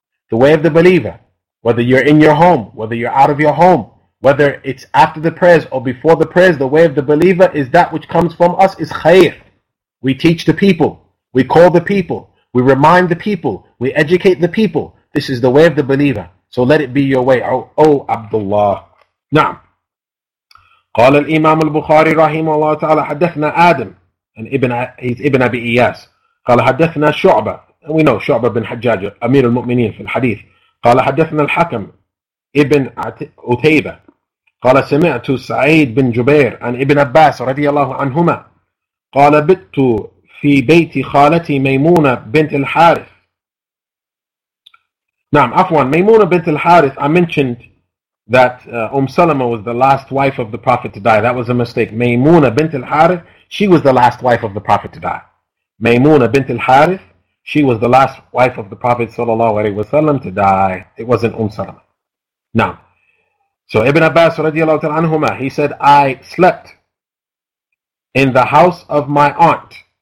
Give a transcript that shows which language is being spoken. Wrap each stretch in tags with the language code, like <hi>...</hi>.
<en>The way of the believer, whether you're in your home, whether you're out of your home, whether it's after the prayers or before the prayers, the way of the believer is that which comes from us is khair. We teach the people. We call the people. We remind the people. We educate the people. This is the way of the believer. So let it be your way. Oh Abdullah. Na'am.</en> <ar>قال الإمام البخاري رحمه الله تعالى حدثنا آدم and ابن أبي إياس قال حدثنا شعبة</ar> <en>and we know</en> <ar>شعبة بن حجاج أمير المؤمنين في الحديث قال حدثنا الحكم ابن عتيبة قال سمعت سعيد بن جبير عن ابن عباس رضي الله عنهما قال بت في بيت خالتي ميمونة بنت الحارث نعم عفوا</ar> <en>ميمونة بنت الحارث I mentioned that Salama was the last wife of the Prophet to die. That was a mistake. Maymuna bint al-Harith, she was the last wife of the Prophet to die. Maymuna bint al-Harith, she was the last wife of the Prophet sallallahu alayhi wa sallam to die. It wasn't Salama. Now, so Ibn Abbas radiallahu ta'ala anhuma, he said, I slept in the house of my aunt.</en>